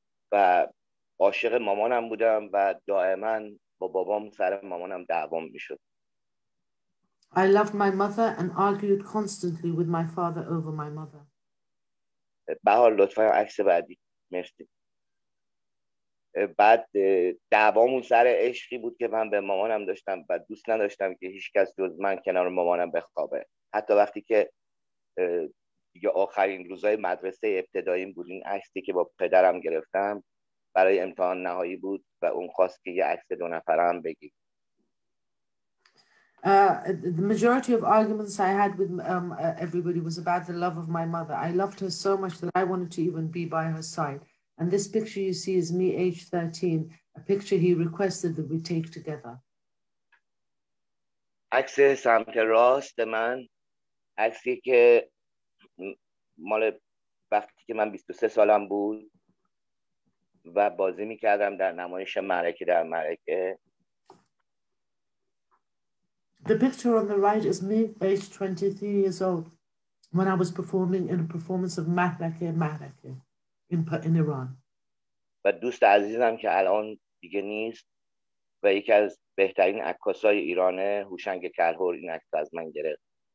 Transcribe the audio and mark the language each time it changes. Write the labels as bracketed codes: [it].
[fa] But عاشق مامانم بودم و دائما با بابام سر مامانم دعوا می‌شد. [en] I loved my mother and argued constantly with my father over my mother. [fa] بهار لطفاً عکس بعدی. مرسی. بعد دعوامون سر عشقی بود که من به مامانم داشتم و دوست نداشتم که هیچ کس جز من کنار مامانم بخوابه. حتی وقتی که دیگه آخرین روزای مدرسه ابتداییم بود، این عکسی که با پدرم گرفتم برای امتحان نهایی بود و اون خواست که یه عکس دو نفره هم بگی. [en] The majority of arguments I had with everybody was about the love of my mother. I loved her so much that I wanted to even be by her side. And this picture you see is me, age 13, a picture he requested that we take together. [fa] عکس سمت راست من عکسی که مال وقتی که من 23 سالم بود و بازی می‌کردم در نمایش معرکه در معرکه. [en] The picture on the right is me, age 23 years old, when I was performing in a performance of معرکه in Iran. [fa] و دوست عزیزم که الان دیگه نیست و یکی از بهترین عکاسای ایرانه هوشنگ کرهور این عکس از من گرفت.